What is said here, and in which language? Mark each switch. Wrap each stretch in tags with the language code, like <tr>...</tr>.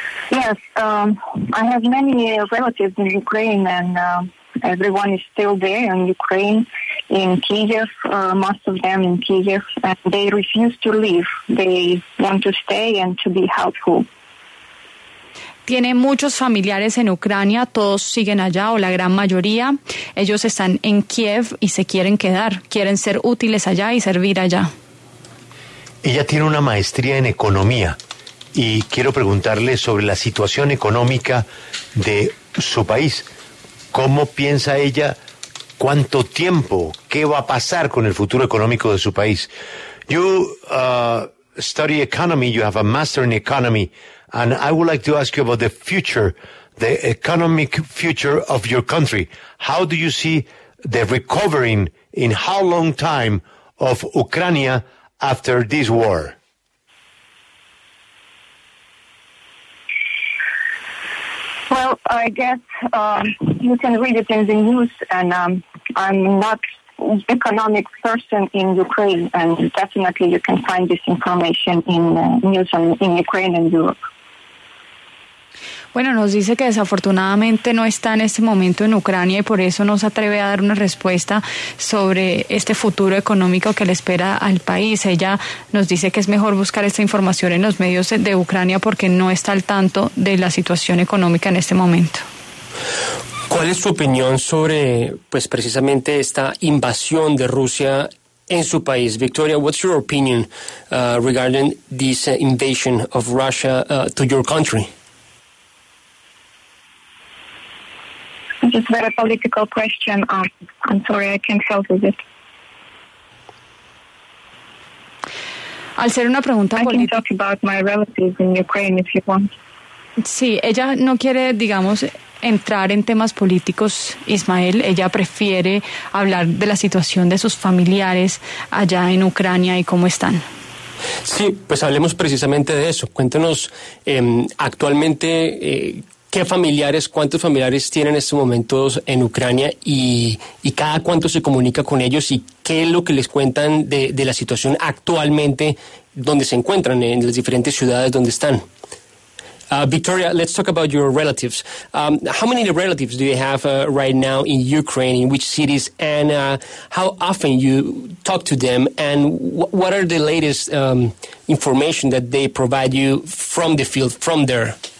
<en>Yes, I have many relatives in Ukraine, and everyone is still there in Ukraine, in Kyiv, most of them in Kyiv, and they refuse to leave. They want to stay and to be helpful.</en> <es>Tiene muchos familiares en Ucrania, todos siguen allá, o la gran mayoría. Ellos están en Kyiv y se quieren quedar, quieren ser útiles allá y servir allá. Ella tiene una maestría en economía. Y quiero preguntarle sobre la situación económica de su país. ¿Cómo piensa ella? ¿Cuánto tiempo? ¿Qué va a pasar con el futuro económico de su país?</es> <en>You study economy, you have a master in economy, and I would like to ask you about the future, the economic future of your country. How do you see the recovering in how long time of Ukraine after this war? Well, I guess you can read it in the news, and I'm not an economic person in Ukraine, and definitely you can find this information in news in Ukraine and Europe.</en> <es>Bueno, nos dice que desafortunadamente no está en este momento en Ucrania y por eso no se atreve a dar una respuesta sobre este futuro económico que le espera al país. Ella nos dice que es mejor buscar esta información en los medios de Ucrania porque no está al tanto de la situación económica en este momento. ¿Cuál es su opinión sobre, pues, precisamente esta invasión de Rusia en su país?</es> <en>Victoria, what's your opinion regarding this invasion of Russia to your country? It's a very political question. I'm sorry, I can't help with it.</en> <es>Al ser una pregunta</es> <en>I can talk about my relatives in Ukraine if you want.</en> <es>Sí, ella no quiere, digamos, entrar en temas políticos, Ismael. Ella prefiere hablar de la situación de sus familiares allá en Ucrania y cómo están. Sí, pues hablemos precisamente de eso. Cuéntenos, actualmente, ¿qué familiares, cuántos familiares tienen en estos momentos en Ucrania y cada cuánto se comunica con ellos y qué es lo que les cuentan de la situación actualmente donde se encuentran en las diferentes ciudades donde están?</es> <en>Victoria, let's talk about your relatives. How many relatives do you have right now in Ukraine, in which cities, and how often you talk to them, and what are the latest information that they provide you from the field, from there?</en>